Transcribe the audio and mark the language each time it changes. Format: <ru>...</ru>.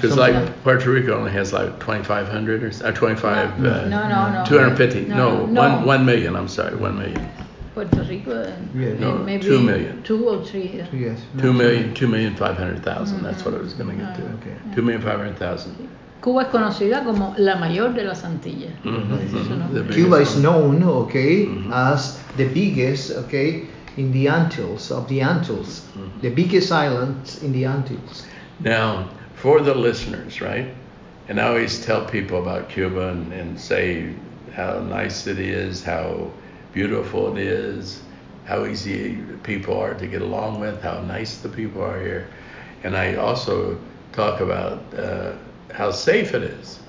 <en>Because like Puerto Rico only has like 2,500 or 25. No. 250. No. 1 million. I'm sorry, 1 million. Puerto Rico, yes. No, maybe 2 million. 2 or 3. Yes. 2 million. 2,500,000. Mm-hmm. That's what I was going to get to. Okay. 2,500,000.</en> <es>Cuba es conocida como la mayor de las Antillas. Mm-hmm. Mm-hmm.</es> <en>Cuba is known, okay, mm-hmm. as the biggest, okay, in the Antilles, of the Antilles, mm-hmm. the biggest islands in the Antilles. Now, for the listeners, right, and I always tell people about Cuba and say how nice it is, how beautiful it is, how easy people are to get along with, how nice the people are here, and I also talk about how safe it is.</en>